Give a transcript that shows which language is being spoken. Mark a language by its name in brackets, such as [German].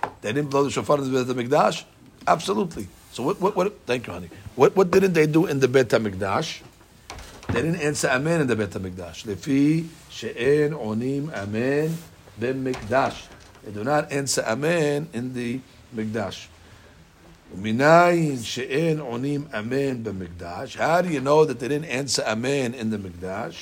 [English] They didn't blow the shofar in the Beit HaMikdash? Absolutely. So what? Thank you, honey. What didn't they do in the Beit HaMikdash? They didn't answer amen in the Beit HaMikdash. [Hebrew] Lefi she'en onim amen beMikdash. [English] They do not answer amen in the Mikdash. [Hebrew] ומנין שאין עונים אמן במקדש? [English] How do you know that they didn't answer אמן in the מקדש?